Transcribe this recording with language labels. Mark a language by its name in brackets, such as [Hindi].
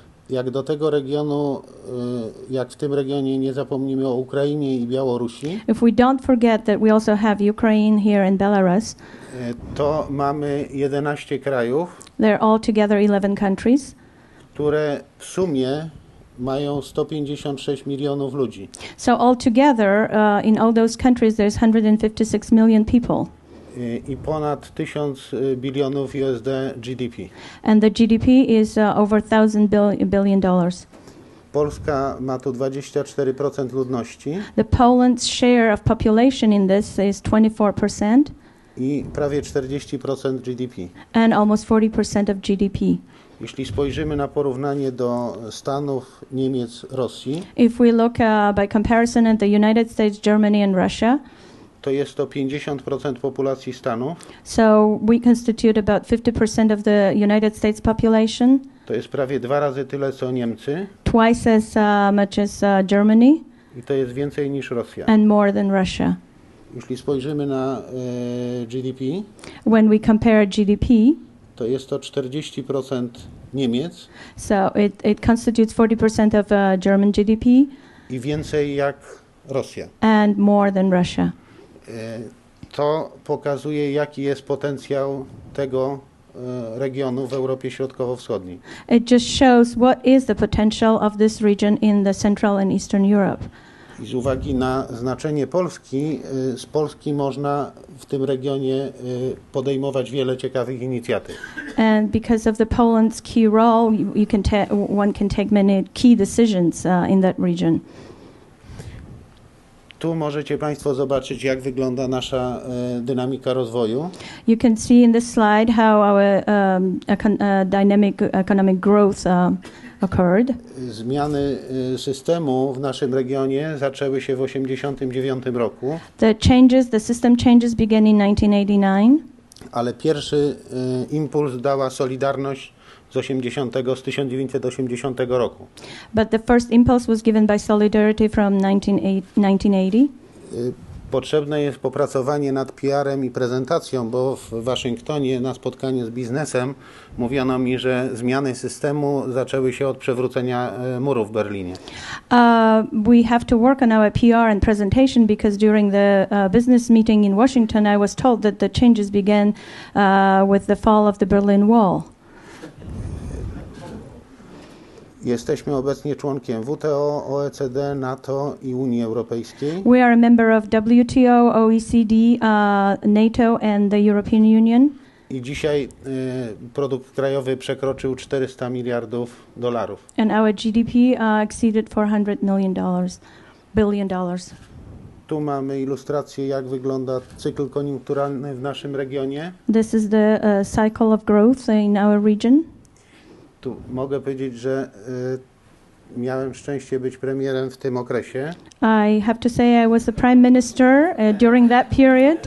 [Polish] Jak do tego regionu, jak w tym regionie nie zapomnimy o Ukrainie i Białorusi. [English] If we don't forget that we also have Ukraine here and Belarus. [Polish] To mamy 11 krajów. [English] They're all together 11 countries. [Polish] Które w sumie mają 156 milionów ludzi. [English] So all together, in all those countries there's 156 million people. [Polish] I ponad 1000 bilionów USD GDP. [English] And the GDP is over 1000 billion dollars. [Polish] Polska ma tu 24% ludności. [English] The Poland's share of population in this is 24%. [Polish] I prawie 40% GDP. [English] And almost 40% of GDP. [Polish] Jeśli spojrzymy na porównanie do Stanów, Niemiec, Rosji. [English] If we look by comparison at the United States, Germany and Russia. [Polish] To jest to 50% populacji Stanów. [English] So we constitute about 50% of the United States population. [Polish] To jest prawie dwa razy tyle, co Niemcy. [English] Twice as much as Germany. [Polish] I to jest więcej niż Rosja. [English] And more than Russia. [Polish] Jeśli spojrzymy na GDP. [English] When we compare GDP. [Polish] To jest to 40% Niemiec. [English] So it constitutes 40% of German GDP. [Polish] I więcej jak Rosja. [English] And more than Russia. [Polish] To pokazuje, jaki jest potencjał tego regionu w Europie Środkowo-Wschodniej. [English] It just shows what is the potential of this region in the Central and Eastern Europe. [Polish] I z uwagi na znaczenie Polski, z Polski można w tym regionie podejmować wiele ciekawych inicjatyw. [English] And because of the Poland's key role, one can take many key decisions in that region. [Polish] Tu możecie Państwo zobaczyć, jak wygląda nasza dynamika rozwoju. [English] You can see in this slide how our dynamic economic growth occurred. [Polish] Zmiany systemu w naszym regionie zaczęły się w 1989 roku. [English] The system changes began in 1989. [Polish] ale pierwszy impuls dała Solidarność z 1980 roku. [English] But the first impulse was given by Solidarity from 1980. [Polish] Potrzebne jest popracowanie nad PR-em i prezentacją, bo w Waszyngtonie na spotkaniu z biznesem mówiono mi, że zmiany systemu zaczęły się od przewrócenia muru w Berlinie. [English] We have to work on our PR and presentation because during the business meeting in Washington I was told that the changes began with the fall of the Berlin Wall. [Polish] Jesteśmy obecnie członkiem WTO, OECD, NATO i Unii Europejskiej. [English] We are a member of WTO, OECD, NATO and the European Union. [Polish] I dzisiaj produkt krajowy przekroczył 400 miliardów dolarów. [English] And our GDP exceeded 400 million dollars, billion dollars. [Polish] Tu mamy ilustrację, jak wygląda cykl koniunkturalny w naszym regionie. [English] This is the cycle of growth in our region. [Polish] Tu mogę powiedzieć, że miałem szczęście być premierem w tym okresie. [English] I have to say I was the prime minister during that period.